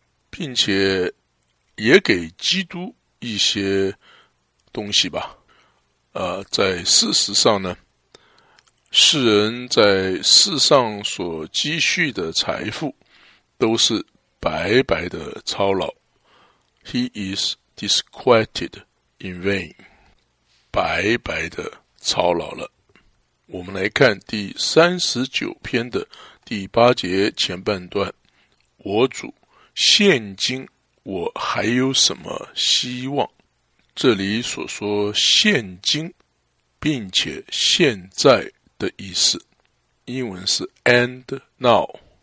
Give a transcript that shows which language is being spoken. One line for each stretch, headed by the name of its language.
Chinese: 并且也给基督一些东西吧。在事实上呢，世人在世上所积蓄的财富都是白白的操劳。
English: He is disquieted in vain，
Chinese: 白白的操劳了。我们来看第39篇的第8节前半段，我主，现今我还有什么希望？这里所说现今并且现在的意思，英文是
English: and now。